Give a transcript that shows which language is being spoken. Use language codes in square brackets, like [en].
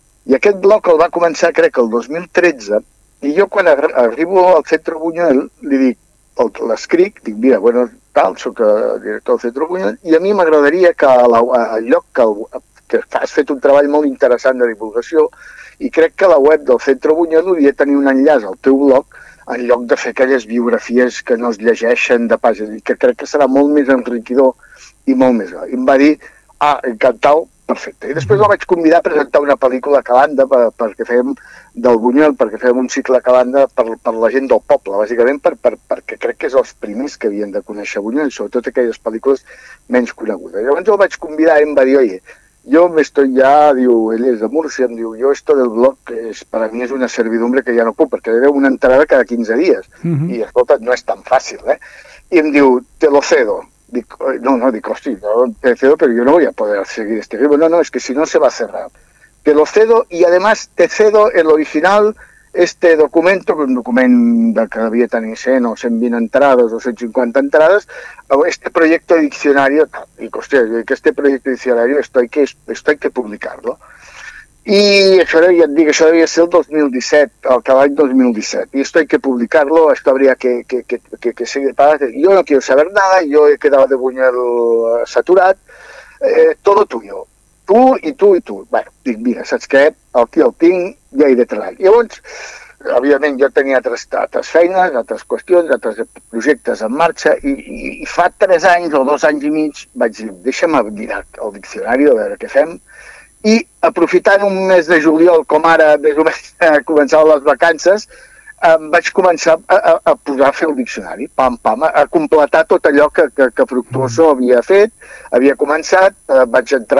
[ca] I aquest blog el va començar, crec, el 2013, i jo quan arribo al Centre Buñuel, li dic, l'escric, dic, mira, bueno, tal, sóc director del Centre Buñuel, i a mi m'agradaria que al lloc que has fet un treball molt interessant de divulgació, i crec que la web del Centre Buñuel hauria de tenir un enllaç al teu blog, en lloc de fer aquelles biografies que no es llegeixen de pàgina, que crec que serà molt més enriquidor i molt més gal. I em va dir, ah, encantau, perfecte. I després la vaig convidar a presentar una pel·lícula a Calanda perquè fèiem del Buñuel, perquè fèiem un cicle a Calanda per la gent del poble, bàsicament perquè crec que és els primers que havien de conèixer Buñuel, sobretot aquelles pel·lícules menys conegudes. Llavors el vaig convidar i em va dir, oi, [es] Yo me estoy ya, digo, él es de Murcia, digo, yo esto del blog, que es, para mí es una servidumbre que ya no puedo, porque le veo una entrada cada 15 días. Uh-huh. Y escolta, no es tan fácil, ¿eh? Y él digo, te lo cedo. Digo, no, no, digo, sí, no, te cedo, pero yo no voy a poder seguir este libro. No, no, es que si no se va a cerrar. Te lo cedo y además te cedo el original, este documento, un documento que había tan inseno, 120 entradas o 150 entradas, este proyecto de diccionario, y hostia, que este proyecto de diccionario, esto hay que publicarlo. Y eso, ya digo, eso debía ser el 2017, al cabo del 2017, y esto hay que publicarlo, esto habría que seguir para hacer. Yo no quiero saber nada, yo he quedado de Buñuel saturat, todo tuyo. [ca] Tu i tu i tu. Bueno, dic, mira, saps què? Aquí el tinc, ja hi de treball. Llavors, òbviament, jo tenia altres feines, altres qüestions, altres projectes en marxa, i fa 3 anys o 2 anys i mig vaig dir, deixa'm mirar el diccionari, a veure què fem, i aprofitant un mes de juliol, com ara més o menys començava les vacances, vaig començar a posar a fer el diccionari, pam, pam, a completar tot allò que Fructuoso havia fet, havia començat, vaig